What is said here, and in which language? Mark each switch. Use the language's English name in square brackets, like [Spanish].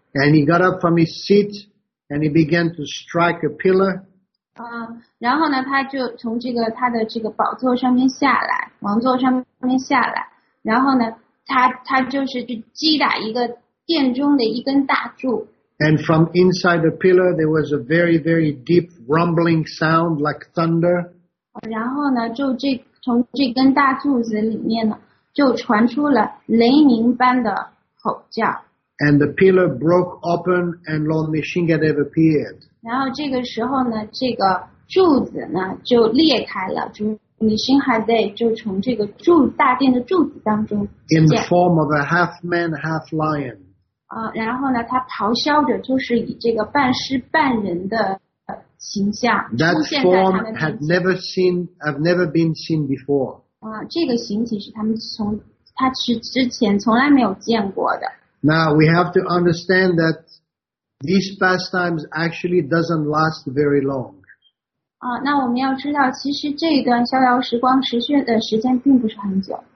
[English] And he got up from his seat and he began to strike a pillar. [Chinese] 然后呢，他就从这个他的这个宝座上面下来，王座上面下来，然后呢，他就是去击打一个殿中的一根大柱。 [English] And from inside the pillar, there was a very, very deep rumbling sound like thunder. [Chinese] 然后呢，就这从这根大柱子里面呢，就传出了雷鸣般的吼叫。 [English] And the pillar broke open, and Lord Nrisimhadev appeared. [Chinese] 然后这个时候呢，这个柱子呢就裂开了，就Nrisimhadev就从这个柱大殿的柱子当中出现。 [English] In the form of a half man, half lion. [Chinese] 然后呢，他咆哮着，就是以这个半狮半人的形象出现在他的面前。 [English] That form had never seen, have never been seen before. [Chinese] 这个形体是他之前从来没有见过的。 [English] Now we have to understand that. These pastimes actually doesn't last very long. [Chinese] 那我们要知道，其实这一段逍遥时光持续的时间并不是很久。